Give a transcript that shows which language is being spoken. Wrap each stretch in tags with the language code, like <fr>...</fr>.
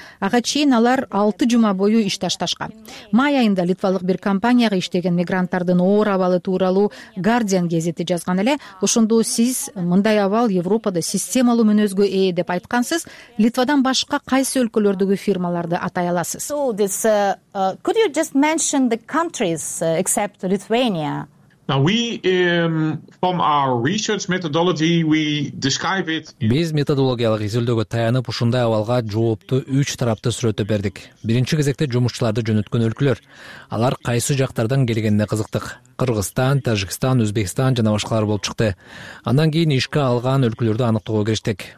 <ky>Ага чейин алар 6 жума бою иш ташташкан. Май айында литвалык бир компанияга иштеген мигранттардын оор абалы тууралуу Guardian гезити жазган эле. Ошондо сиз мындай абал Европада системалуу мүнөзгө ээ деп айткансыз. Литвадан башка кайсы өлкөлөрдөгү фирмаларды атай аласыз?</ky> <en>Could you just mention the countries except Lithuania?</en> <ky>Биз методологиялык изилдөөгө таянып, ушундай абалга жоопту 3 тарапты сүрөттөп бердик. Биринчи кезекте жумушчуларды жөнөткөн өлкөлөр. Алар кайсы жактардан келгенине кызыктык. Кыргызстан, Тажикстан, Өзбекстан жана башкалар болуп чыкты. Андан кийин ишке алган өлкөлөрдү аныктоого кириштик.</ky>